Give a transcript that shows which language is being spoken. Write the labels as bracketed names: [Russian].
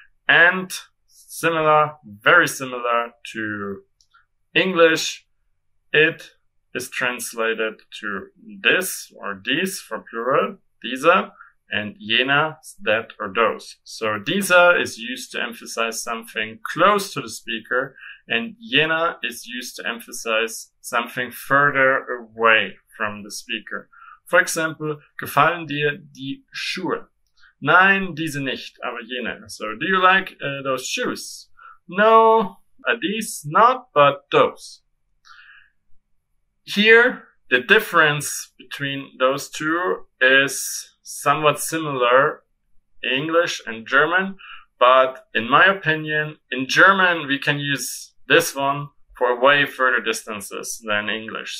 [English] And similar, very similar to English, it is translated to this or these for plural, dieser, and jener, that or those. So dieser is used to emphasize something close to the speaker, and jener is used to emphasize something further away from the speaker. For example, [German] gefallen dir die Schuhe? Nein, diese nicht, aber jene. [English] So, do you like those shoes? No, these not, but those. Here, the difference between those two is somewhat similar, English and German, but in my opinion, in German, we can use this one for way further distances than English.